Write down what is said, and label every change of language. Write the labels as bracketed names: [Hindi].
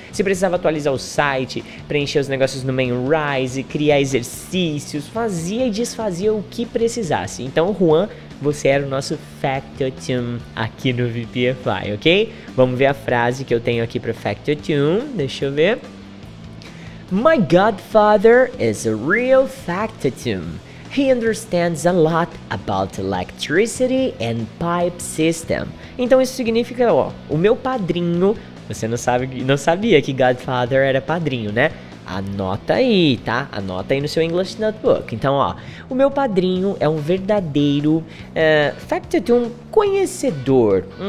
[Portuguese] Se precisava atualizar o site, preencher os negócios no Mainrise, criar exercícios, fazia e desfazia o que precisasse. Então, Juan, você era o nosso factotum aqui no VPFI, ok? Vamos ver a frase que eu tenho aqui para factotum, deixa eu ver. [English] My godfather is a real factotum. He understands a lot about electricity and pipe system. [Portuguese] Então isso significa, ó, o meu padrinho, você não sabia que Godfather era padrinho, né? Anota aí, tá? Anota aí no seu English Notebook. Então, ó, o meu padrinho é um verdadeiro factotum conhecedor.